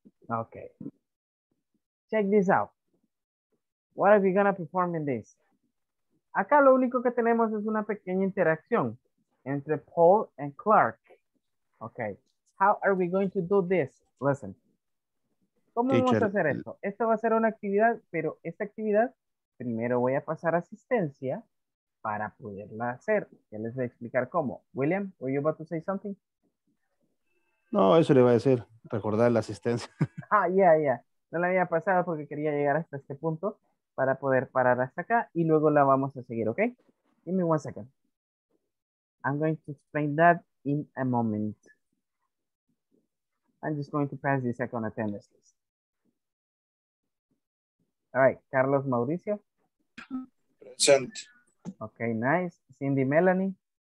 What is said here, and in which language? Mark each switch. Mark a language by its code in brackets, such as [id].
[en] Okay, check this out. What are we gonna perform in this? [es] Acá lo único que tenemos es una pequeña interacción entre Paul and Clark. [en] Okay, how are we going to do this? Listen, [es] ¿cómo vamos a hacer esto? Esto va a ser una actividad, pero esta actividad primero voy a pasar asistencia para poderla hacer. Ya les voy a explicar cómo. William, [en] were you about to say something? [es] No, eso le iba a decir. Recordar la asistencia. [en] Ah, yeah, yeah. [es] No la había pasado porque quería llegar hasta este punto para poder parar hasta acá y luego la vamos a seguir, ¿ok? [en] Give me one second. I'm going to explain that in a moment. I'm just going to pass the second attendance list. All right, Carlos Mauricio. Present. Okay, nice. Cindy Melanie.